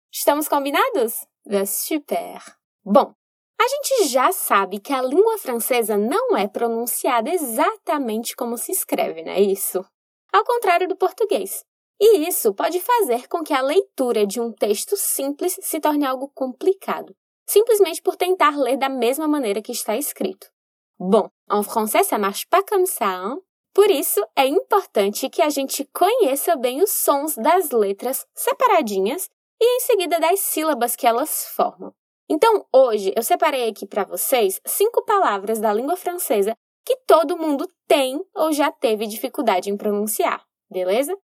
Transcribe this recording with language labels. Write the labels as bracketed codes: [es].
[pt] Estamos combinados? Super! Bom, a gente já sabe que a língua francesa não é pronunciada exatamente como se escreve, não é isso? Ao contrário do português. E isso pode fazer com que a leitura de um texto simples se torne algo complicado, simplesmente por tentar ler da mesma maneira que está escrito. [fr] Bon, en français ça marche pas comme ça, hein? [pt] Por isso, é importante que a gente conheça bem os sons das letras separadinhas e, em seguida, das sílabas que elas formam. Então, hoje, eu separei aqui para vocês 5 palavras da língua francesa que todo mundo tem ou já teve dificuldade em pronunciar, beleza?